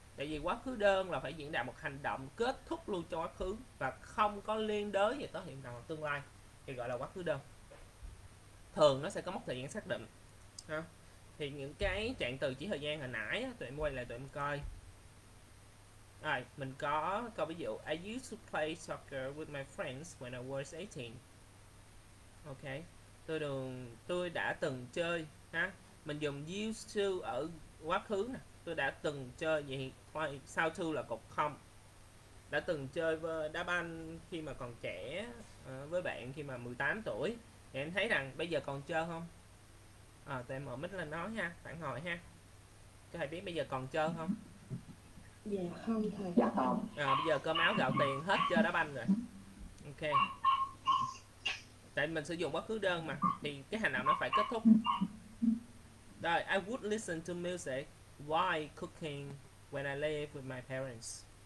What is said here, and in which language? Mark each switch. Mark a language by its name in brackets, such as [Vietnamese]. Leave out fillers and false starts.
[Vietnamese] Tại vì quá khứ đơn là phải diễn đạt một hành động kết thúc luôn cho quá khứ và không có liên đới gì tới hiện tại hoặc tương lai thì gọi là quá khứ đơn. Thường nó sẽ có mốc thời gian xác định. Ha? Thì những cái trạng từ chỉ thời gian hồi nãy tụi em quay lại tụi em coi. Rồi, mình có câu ví dụ [English] I used to play soccer with my friends when I was 18. [Vietnamese] Ok. Tôi đã từng chơi ha. Mình dùng used to ở quá khứ nè. Tôi đã từng chơi vậy thôi, sao to là cột không. Đã từng chơi với đá banh khi mà còn trẻ với bạn khi mà 18 tuổi. Thì em thấy rằng bây giờ còn chơi không? À, tụi em mở mic lên nói ha, phản hồi ha. Các thầy biết bây giờ còn chơi không? Dạ không thầy. Dạ không. À, bây giờ cơm áo gạo tiền hết chơi đá banh rồi. Ok. Tại mình sử dụng quá khứ đơn mà thì cái hành động nó phải kết thúc. [English] Rồi, I would listen to music while cooking when I live with my parents.